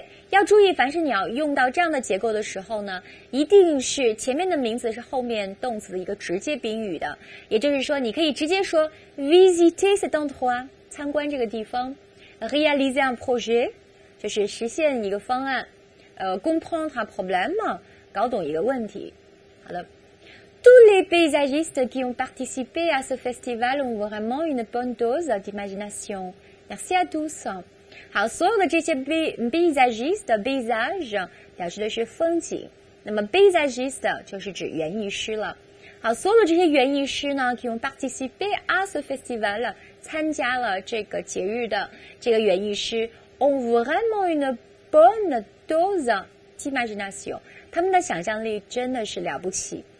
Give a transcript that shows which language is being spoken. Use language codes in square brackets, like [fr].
[zh] 要注意，凡是你要用到这样的结构的时候呢，一定是前面的名词是后面动词的一个直接宾语的，也就是说你可以直接说 [fr] visiter cet endroit [zh] 参观这个地方， [fr] réaliser un projet [zh] 就是实现一个方案， [fr] comprendre un problème [zh] 搞懂一个问题。 [fr] 好的， tous les paysagistes qui ont participé à ce festival ont vraiment une bonne dose d'imagination. Merci à tous。 [zh] 好，所有的这些 paysagiste， paysage 表示的是风景，那么 paysagiste 就是指园艺师了。好，所有的这些园艺师呢，可以用 [fr] participate à ce festival， [zh] 参加了这个节日的这个园艺师 [fr] ont vraiment une bonne dose d'imagination， [zh] 他们的想象力真的是了不起。